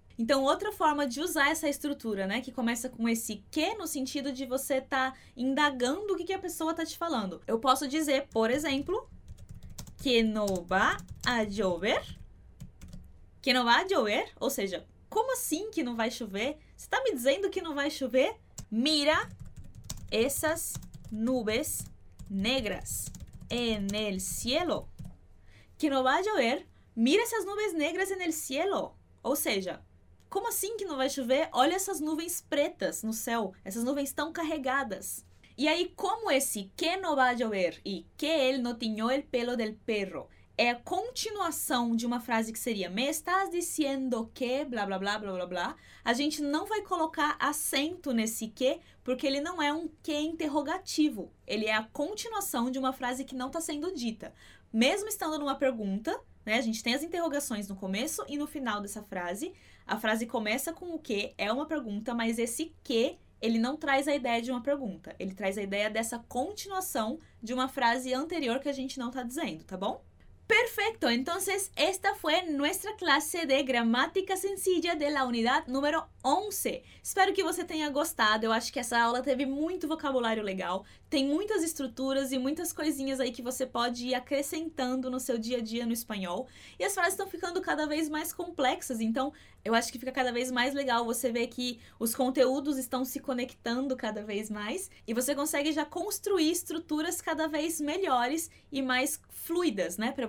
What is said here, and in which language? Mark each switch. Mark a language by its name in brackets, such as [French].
[Portuguese] Então, outra forma de usar essa estrutura, né, que começa com esse que no sentido de você estar indagando o que a pessoa está te falando. Eu posso dizer, por exemplo, [Spanish] que no va a llover. [Portuguese] Que não vai chover? Ou seja, como assim que não vai chover? Você está me dizendo que não vai chover? [Spanish] Mira essas nubes negras en el cielo. [Portuguese] Que não vai chover? [Spanish] Mira essas nubes negras en el cielo. [Portuguese] Ou seja, como assim que não vai chover? Olha essas nuvens pretas no céu. Essas nuvens tão carregadas. E aí, como esse que não vai chover e [Spanish] que él no tiñó el pelo del perro [Portuguese] é a continuação de uma frase que seria [Spanish] me estás diciendo que [Portuguese] blá blá blá blá blá blá, a gente não vai colocar acento nesse que, porque ele não é um que interrogativo. Ele é a continuação de uma frase que não está sendo dita. Mesmo estando numa pergunta, né, a gente tem as interrogações no começo e no final dessa frase. A frase começa com o que, é uma pergunta, mas esse que, ele não traz a ideia de uma pergunta. Ele traz a ideia dessa continuação de uma frase anterior que a gente não está dizendo, tá bom? [Spanish] Perfecto, entonces esta fue nuestra clase de gramática sencilla de la unidad número 11. [Portuguese] Espero que você tenha gostado, eu acho que essa aula teve muito vocabulário legal, tem muitas estruturas e muitas coisinhas aí que você pode ir acrescentando no seu dia a dia no espanhol, e as frases estão ficando cada vez mais complexas, então eu acho que fica cada vez mais legal você ver que os conteúdos estão se conectando cada vez mais e você consegue já construir estruturas cada vez melhores e mais fluidas, né?